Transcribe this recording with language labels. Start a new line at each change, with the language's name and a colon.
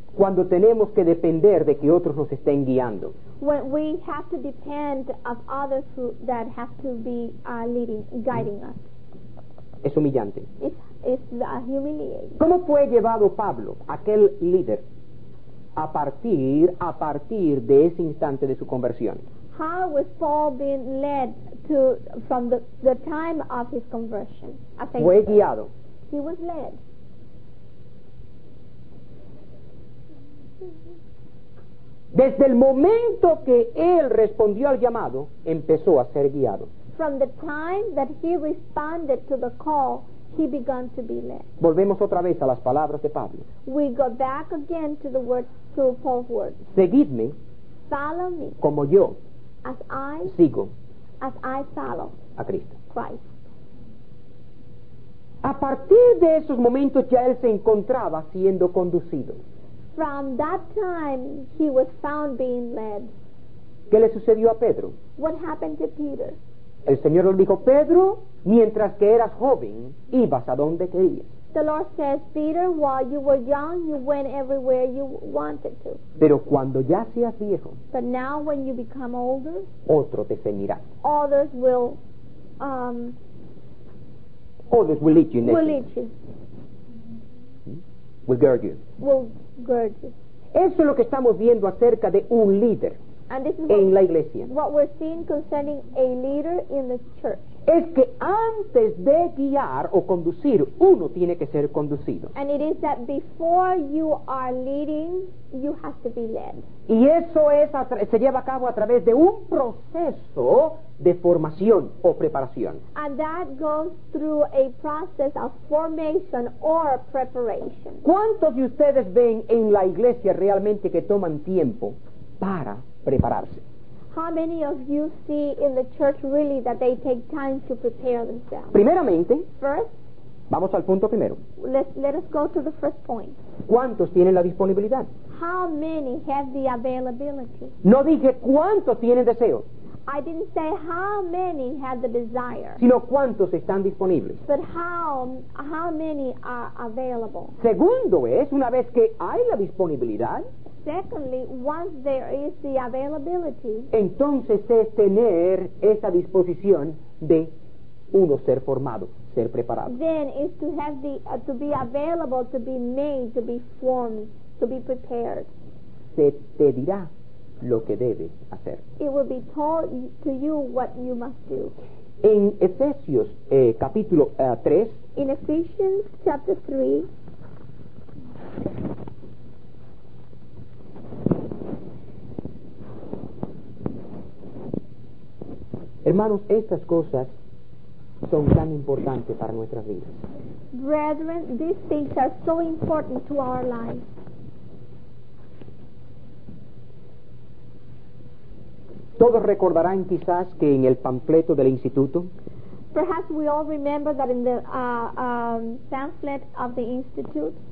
Spanish: Cuando tenemos que depender de que otros nos estén guiando.
English: When we have to depend of others that have to be guiding us.
Spanish: Es humillante.
English: It's humiliating.
Spanish: ¿Cómo fue llevado Pablo, aquel líder, a partir de ese instante de su conversión?
English: How was Paul being led to from the time of his conversion?
Spanish: Fue guiado.
English: He was led.
Spanish: Desde el momento que él respondió al llamado, empezó a ser guiado.
English: From the time that he responded to the call, he began to be led.
Spanish: Volvemos otra vez a las palabras de Pablo.
English: We go back again to the word, to Paul's words.
Spanish: Seguidme.
English: Follow me.
Spanish: Como yo.
English: As I.
Spanish: Sigo.
English: As I follow.
Spanish: A Cristo.
English: Christ.
Spanish: A partir de esos momentos ya él se encontraba siendo conducido.
English: From that time, he was found being led.
Spanish: ¿Qué le sucedió a Pedro?
English: What happened to Peter?
Spanish: El Señor le dijo, Pedro, mientras que eras joven, ibas a donde querías.
English: The Lord says, Peter, while you were young, you went everywhere you wanted to.
Spanish: Pero cuando ya seas viejo,
English: but now when you become older,
Spanish: otro te seguirá.
English: Others will, others will eat you. Will eat you. Will gird you. Will gird you.
Spanish: Eso es lo que estamos viendo acerca de un líder.
English: And this is
Spanish: en la iglesia.
English: What we're seeing concerning a leader in the church.
Spanish: Es que antes de guiar o conducir, uno tiene que ser conducido.
English: And it is that before you are leading, you have to be led.
Spanish: Y eso es se lleva a cabo a través de un proceso de formación o preparación.
English: And that goes through a process of formation or preparation.
Spanish: ¿Cuántos de ustedes ven en la iglesia realmente que toman tiempo para prepararse?
English: How many of you see in the church really that they take time to prepare themselves?
Spanish: Primeramente,
English: first,
Spanish: vamos al punto primero.
English: Let us go to the first point.
Spanish: ¿Cuántos tienen la disponibilidad?
English: How many have the availability?
Spanish: No dije cuántos tienen deseo.
English: I didn't say how many have the desire.
Spanish: Sino cuántos están disponibles.
English: But how many are available?
Spanish: Segundo es, una vez que hay la disponibilidad,
English: secondly, once there is the availability,
Spanish: entonces es tener esa disposición de uno ser formado, ser preparado.
English: Then is to have the to be available, to be made, to be formed, to be prepared.
Spanish: Se te dirá lo que debes hacer.
English: It will be told to you what you must do.
Spanish: En Efesios capítulo 3.
English: In Ephesians chapter 3.
Spanish: Hermanos, estas cosas son tan importantes para nuestras vidas.
English: Brethren, these things are so important to our lives.
Spanish: Todos recordarán quizás que en el panfleto del instituto,
English: perhaps we all remember that in the pamphlet of the institute,